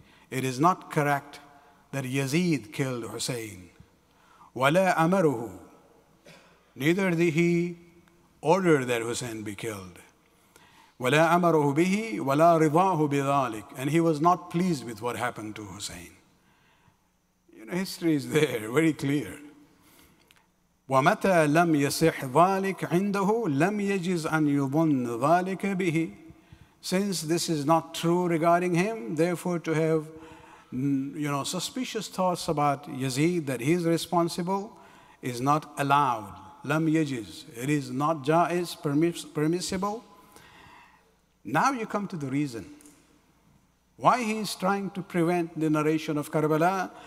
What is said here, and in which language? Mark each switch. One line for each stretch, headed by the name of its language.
English: It is not correct that Yazid killed Husayn.
Arabic: Wala amaruhu.
English: Neither did he order that Husayn be killed.
Arabic: Wala amaruhu bihi, wala ridahu bidhalik.
English: And he was not pleased with what happened to Husayn. You know, history is there, very clear.
Arabic: ومتى لم يصح ذلك عنده لم يجز أن يظن ذلك به.
English: Since this is not true regarding him, therefore to have, you know, suspicious thoughts about Yazid, that he is responsible, is not allowed.
Arabic: لم يجز.
English: It is not جائز, permissible. Now you come to the reason why he is trying to prevent the narration of Karbala.